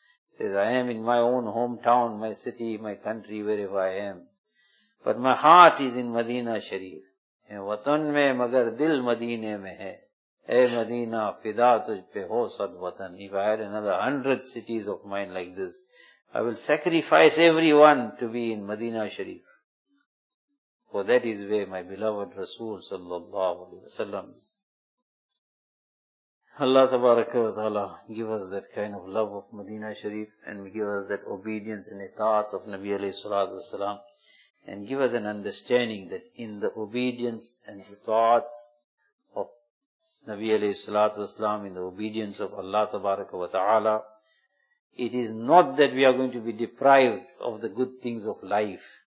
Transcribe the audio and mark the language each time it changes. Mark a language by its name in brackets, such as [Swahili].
[English] Says, I am in my own hometown, my city, my country, wherever I am. But my heart is in Madina Sharif. [Urdu] وطن میں مگر دل مدینے میں ہے، اے مدینہ فدا تجھ پہ ہو صد وطن. [English] If I had another 100 cities of mine like this, I will sacrifice everyone to be in Madina Sharif. For that is where my beloved Rasul sallallahu alayhi wa sallam is. Allah tabaraka wa ta'ala give us that kind of love of Madina Sharif and give us that obedience and itaat of Nabi alayhi salatu wa salam and give us an understanding that in the obedience and itaat of Nabi alayhi salatu wa salam, in the obedience of Allah tabaraka wa ta'ala, it is not that we are going to be deprived of the good things of life.